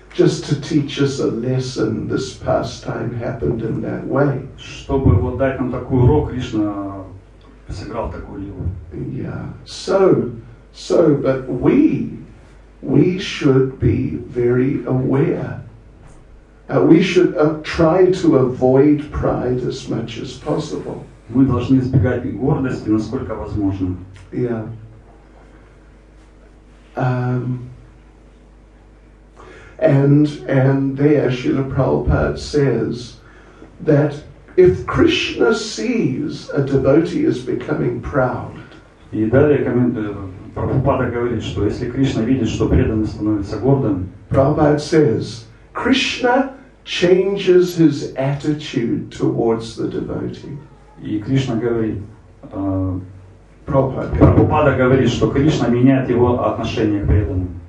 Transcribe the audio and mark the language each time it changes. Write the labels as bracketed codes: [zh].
[en] Just to teach us a lesson, this pastime happened in that way. [ru] Чтобы вот дать нам такой урок, Кришна сыграл такую игру. [en] Yeah. So, but we should be very aware We should try to avoid pride as much as possible. [ru] Мы должны избегать гордости насколько возможно. [en] Yeah. And there Srila Prabhupada says that if Krishna sees a devotee is becoming proud. [ru] И далее комментарий Прабхупада говорит, что если Кришна видит, что преданный становится гордым, [en] Prabhupada says Krishna changes his attitude towards the devotee. [ru] И Кришна говорит, Прабхупада говорит, что Кришна меняет его отношение к преданным.